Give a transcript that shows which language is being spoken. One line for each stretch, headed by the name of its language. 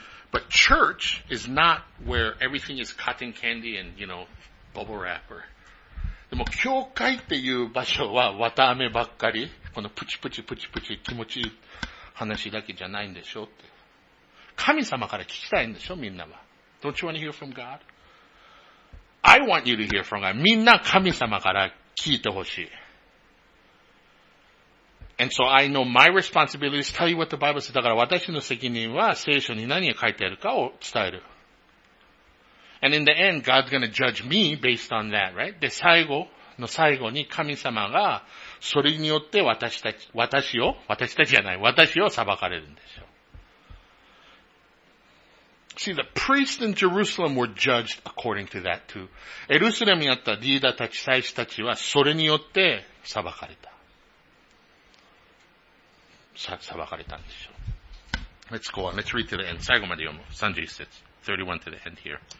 English: But church is not where everything is cotton candy and, you know, bubble wrap or...
Japanese: でも教会っていう場所は綿飴ばっかり、このプチプチプチプチ気持ちいい話だけじゃないんでしょって。神様から聞きたいんでしょみんなは。
English: Don't you want to hear from God? I want you to hear from God.
Japanese: みんな神様から聞いてほしい。
English: And so I know my responsibility is to tell you what the Bible says.
Japanese: だから私の責任は聖書に何が書いてあるかを伝える。
English: And in the end, God's gonna judge me based on that, right?
Japanese: で、最後の最後に神様がそれによって私を裁かれるんでしょう。
English: See, the priests in Jerusalem were judged according to that too.
Japanese: エルサレムにあったリーダーたち、祭司たちはそれによって裁かれた。裁かれたんでしょう。
English: Let's go on. Let's read to the end.
Japanese: 最後まで読む。31節。
English: 31 to the end here.